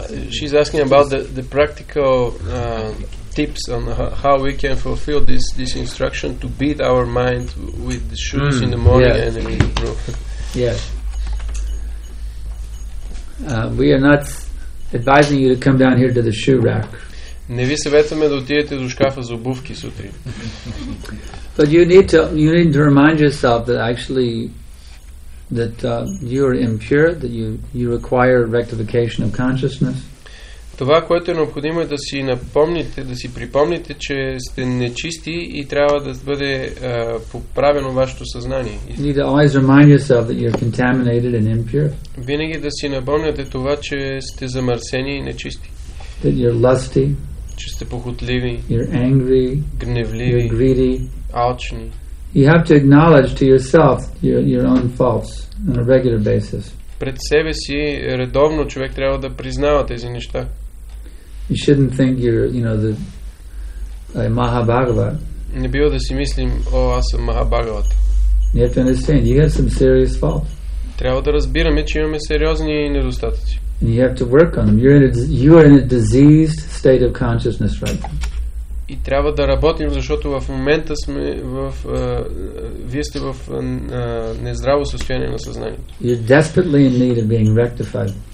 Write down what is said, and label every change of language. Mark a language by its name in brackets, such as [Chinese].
[English] She's asking about the practical tips on how we can fulfill this instruction to beat our mind with the shoes in the morning and in the roof. We are not advising you to come down here to the shoe rack. [Bulgarian] Не ви съветваме да отидете до шкафа за обувки сутрин. [English] But you need to remind yourself that actually that you are impure, that you require rectification of consciousness. [Bulgarian] Това, което е необходимо е да си напомните, да си припомните, че сте нечисти и трябва да бъде поправено вашето съзнание. [English] You need to always remind yourself that you're contaminated and impure. [Bulgarian] Винаги да си напомняте това, че сте замърсени и нечисти. [English] That you're lusty. [Bulgarian] Че сте похотливи. [English] You're angry. [Bulgarian] Гневливи. [English] You're greedy. [Bulgarian] Алчни. [English] You have to acknowledge to yourself your own faults on a regular basis. [Bulgarian] Пред себе си редовно човек трябва да признава тези неща. [English] You shouldn't think you're Mahabhagavat. [Bulgarian] Не бива да си мислим, аз съм Mahabhagavat. [English] You have to understand you have some serious faults. [Bulgarian] Трябва да разбираме, че имаме сериозни недостатъци. [English] And you have to work on them. You're in a diseased state of consciousness right now. [Bulgarian] И трябва да работим, защото в момента сме в вие сте в нездраво състояние на съзнанието. [English] You're desperately in need of being rectified.